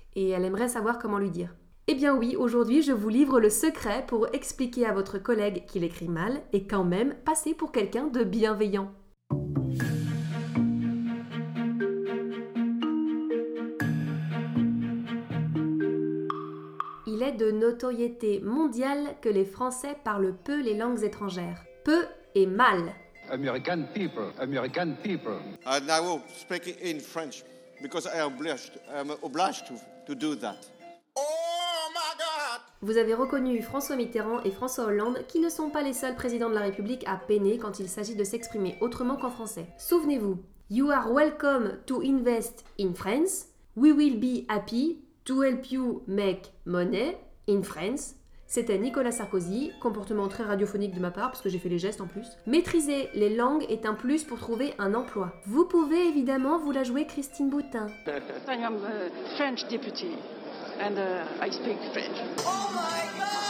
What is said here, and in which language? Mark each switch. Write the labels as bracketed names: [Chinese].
[French] Et elle aimerait savoir comment lui dire. Eh bien oui, aujourd'hui je vous livre le secret pour expliquer à votre collègue qu'il écrit mal et quand même passer pour quelqu'un de bienveillant. Il est de notoriété mondiale que les Français parlent peu les langues étrangères. Peu et mal. [English] American people, American people. And I will speak in French because I am obliged, to do that. [French] Vous avez reconnu François Mitterrand et François Hollande qui ne sont pas les seuls présidents de la République à peiner quand il s'agit de s'exprimer autrement qu'en français. Souvenez-vous, [English] you are welcome to invest in France, we will be happy to help you make money in France. [French] C'était Nicolas Sarkozy, comportement très radiophonique de ma part parce que j'ai fait les gestes en plus. Maîtriser les langues est un plus pour trouver un emploi. Vous pouvez évidemment vous la jouer Christine Boutin. [English] I am a French deputy. And I speak French. Oh my